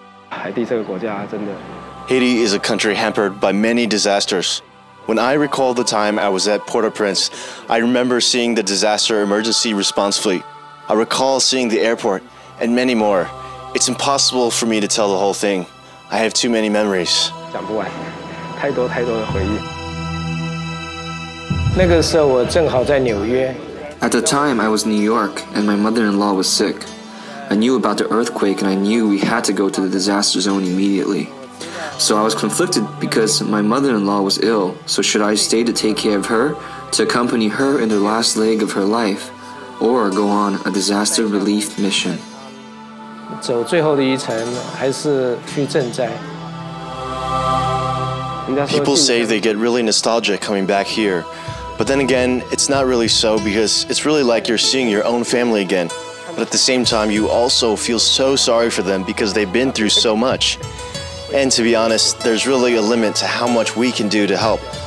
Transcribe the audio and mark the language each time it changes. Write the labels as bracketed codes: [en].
[en] Haiti is a country hampered by many disasters. When I recall the time I was at Port-au-Prince, I remember seeing the disaster emergency response fleet. I recall seeing the airport and many more. It's impossible for me to tell the whole thing. I have too many memories. [zh] 讲不完，太多太多的回忆。那个时候我正好在纽约。 [en] At the time, I was in New York, and my mother-in-law was sick. I knew about the earthquake, and I knew we had to go to the disaster zone immediately. So I was conflicted because my mother-in-law was ill, so should I stay to take care of her, to accompany her in the last leg of her life, or go on a disaster relief mission? [zh] 走最后的一程，还是去赈灾。 [en] People say they get really nostalgic coming back here. But then again, it's not really so because it's really like you're seeing your own family again. But at the same time, you also feel so sorry for them because they've been through so much. And to be honest, there's really a limit to how much we can do to help.